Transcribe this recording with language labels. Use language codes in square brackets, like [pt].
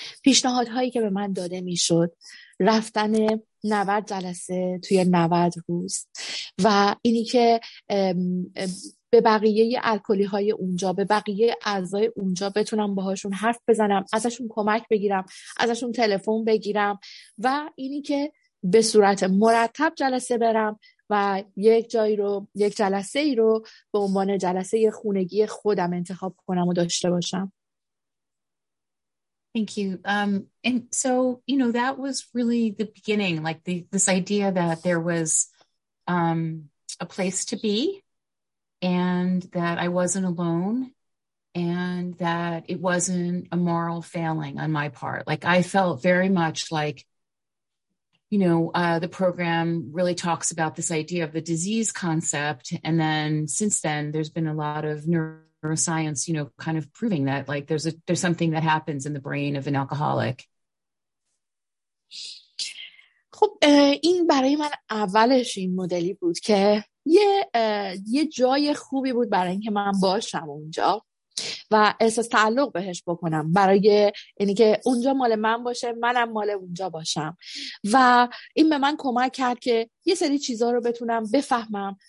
[fa] پیشنهادهایی که به من داده میشد، رفتن 90 جلسه توی 90 روز و اینی که به بقیه الکلی های اونجا، به بقیه اعضای اونجا بتونم باهاشون حرف بزنم، ازشون کمک بگیرم، ازشون تلفن بگیرم و اینی که به صورت مرتب جلسه برم و یک جایی رو، یک جلسه ای رو به عنوان جلسه خونگی خودم انتخاب کنم و داشته باشم. [en] Thank you. And so, you know, that was really the beginning, like this idea that there was a place to be and that I wasn't alone and that it wasn't a moral failing on my part. Like I felt very much like, you know, the program really talks about this idea of the disease concept. And then since then, there's been a lot of neuroscience, you know, kind of proving that like there's something that happens in the brain of an alcoholic. [fa] خب این برای من اولش این مدلی بود که یه جای خوبی بود برای اینکه من باشم اونجا و احساس تعلق بهش بکنم، برای اینی که اونجا مال من باشه، منم مال اونجا باشم و این به من کمک کرد که یه سری چیزها رو بتونم بفهمم.